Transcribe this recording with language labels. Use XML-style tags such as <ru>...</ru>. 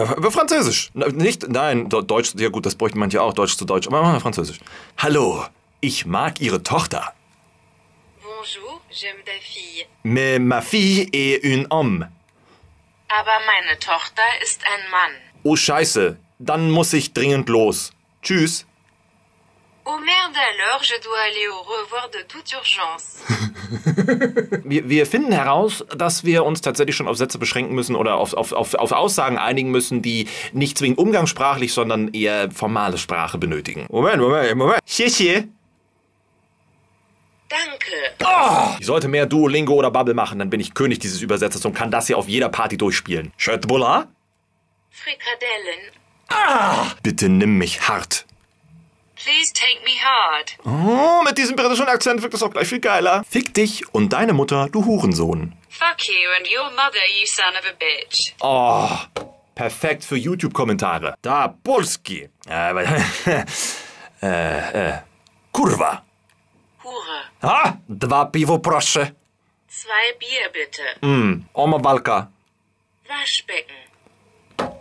<de>Französisch. Nicht, nein, Deutsch, ja gut, das bräuchten manche auch, Deutsch zu Deutsch. Aber machen wir Französisch. Hallo, ich mag Ihre Tochter.</de> <fr>Bonjour, j'aime ta fille. Mais ma fille est un homme.</fr> <de>Aber meine Tochter ist ein Mann. Oh scheiße, dann muss ich dringend los. Tschüss.</de> <fr>Oh merde, alors je dois aller au revoir de toute urgence.</fr> <de>Wir finden heraus, dass wir uns tatsächlich schon auf Sätze beschränken müssen oder auf Aussagen einigen müssen, die nicht zwingend umgangssprachlich, sondern eher formale Sprache benötigen. Moment. Tschüssi. Danke. Oh, ich sollte mehr Duolingo oder Bubble machen, dann bin ich König dieses Übersetzers und kann das hier auf jeder Party durchspielen. Schöttbulla? Frikadellen. Ah, bitte nimm mich hart.</de> <en>Please take me hard.</en> <de>Oh, mit diesem britischen Akzent wirkt das auch gleich viel geiler. Fick dich und deine Mutter, du Hurensohn.</de> <en>Fuck you and your mother, you son of a bitch.</en> <de>Oh, perfekt für YouTube-Kommentare.</de> <pl>Da, Polski. Kurwa. Ha! Dwa piwo, proszę.</pl> <de>Zwei Bier, bitte. Oma Walka. Waschbecken.</de>